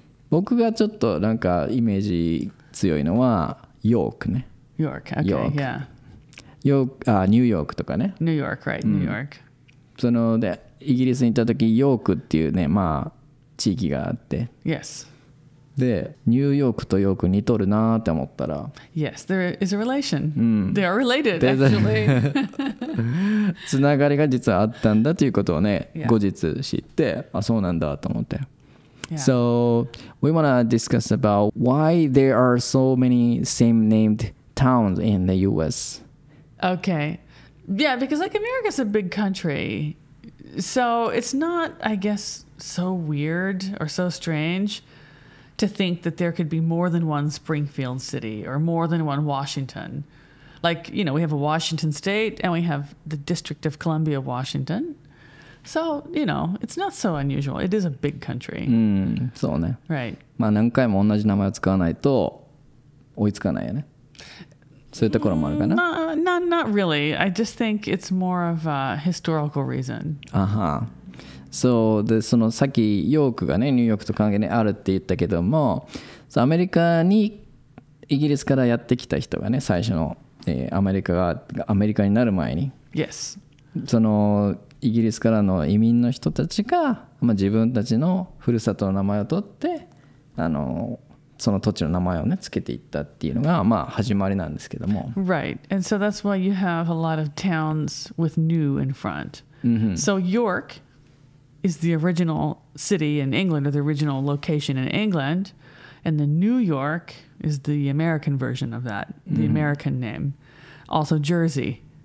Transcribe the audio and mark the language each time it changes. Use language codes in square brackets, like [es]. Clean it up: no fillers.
[ja] 僕がちょっとなんかイメージ強いのはヨークね。ヨーク、okay, ヨーク、yeah. ヨーク、あ、ニューヨークとかね。ニューヨーク、right, ニューヨーク。そのでイギリスに行った時ヨークっていうね、まあ地域があって。 [en] Yes. [ja] で、ニューヨークとヨーク似とるなって思ったら。 [en] Yes, there is a relation.、They are related, actually. [ja] つながりが実はあったんだということをね、yeah. 後日知って、あ、そうなんだと思って。 [en] Yeah. So we want to discuss about why there are so many same named towns in the U.S. Okay. Yeah, because like America's a big country. So it's not, I guess, so weird or so strange to think that there could be more than one Springfield city or more than one Washington. Like, you know, we have a Washington state and we have the District of Columbia, Washington. So, you know, it's not so unusual. It is a big country. [ja] そうね。 [en] Right. [ja] まあ何回も同じ名前を使わないと追いつかないよね。そういうところもあるかな。 [en] Not really. I just think it's more of a historical reason. Uh-huh. [ja] So, でそのさっきヨークがね、ニューヨークと関係あるって言ったけども、そうアメリカにイギリスからやってきた人がね、最初の、アメリカがアメリカになる前に。 [en] Yes. [ja] そのイギリスからの移民の人たちが、まあ、自分たちのふるさとの名前を取ってあのその土地の名前をねつけていったっていうのがまあ始まりなんですけども。 [en] Right. And so that's why you have a lot of towns with new in front. So York is the original city in England or the original location in England. And the New York is the American version of that. The American name. Also Jersey.